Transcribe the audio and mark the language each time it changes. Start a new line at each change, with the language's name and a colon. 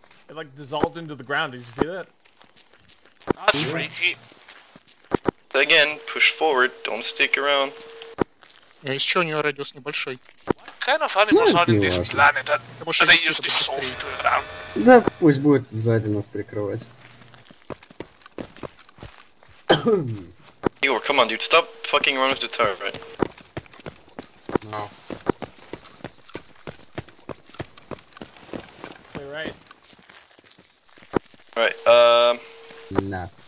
English: It like dissolved into the ground, did you see that? That's freaky. Again, push forward, don't stick around.
Russian: Yeah, is чё у неё радиус небольшой?
English: What kind of animals are in this planet that they use this speed to run?
Russian: Да, пусть будет сзади нас прикрывать.
English: Igor, come on, dude, stop fucking running with the turret, right? No. You're right. Alright, Nah.